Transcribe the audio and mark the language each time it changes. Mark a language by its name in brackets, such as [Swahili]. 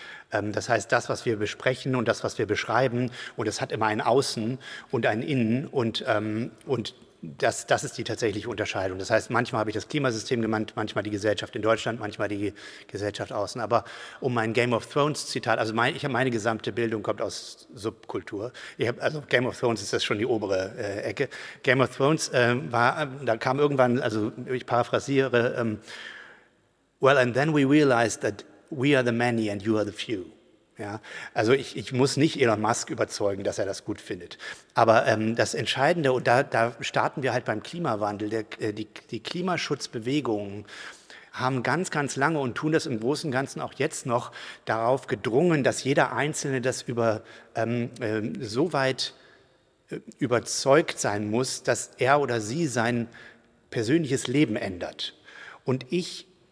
[German] Das heißt, das, was wir besprechen und das, was wir beschreiben, und das hat immer ein Außen und ein Innen und Das ist die tatsächliche Unterscheidung. Das heißt, manchmal habe ich das Klimasystem genannt, manchmal die Gesellschaft in Deutschland, manchmal die Gesellschaft außen. Aber um mein Game of Thrones-Zitat, also meine gesamte Bildung kommt aus Subkultur. Also Game of Thrones ist das schon die obere Ecke. [English] Game of Thrones [German] da kam irgendwann, also ich paraphrasiere, [English] well, and then we realized that we are the many and you are the few. [German] Ja, also ich muss nicht Elon Musk überzeugen, dass er das gut findet. Aber das Entscheidende, und da starten wir halt beim Klimawandel, die Klimaschutzbewegungen haben ganz, ganz lange und tun das im Großen und Ganzen auch jetzt noch darauf gedrungen, dass jeder Einzelne das über so weit überzeugt sein muss, dass er oder sie sein persönliches Leben ändert. Und ich...